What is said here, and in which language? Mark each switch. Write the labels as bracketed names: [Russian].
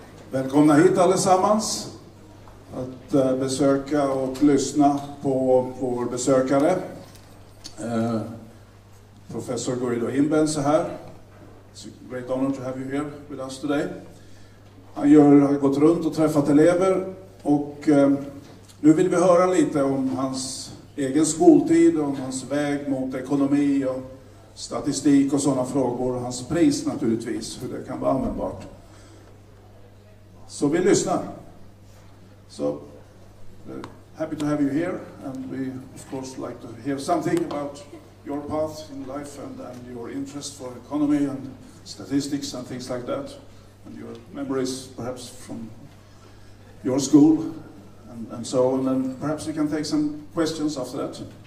[Swedish] Välkomna hit allesammans att besöka och lyssna på vår besökare. Professor Guido Imbens är här. [English] It's a great honor to have you here with us today. [Swedish] Han har gått runt och träffat elever och nu vill vi höra lite om hans egen skoltid, om hans väg mot ekonomi och statistik och sådana frågor, och hans pris naturligtvis, hur det kan vara användbart. [English] So we listen. So happy to have you here, and we of course like to hear something about your path in life and your interest for economy and statistics and things like that, and your memories perhaps from your school and so on, and perhaps we can take some questions after that.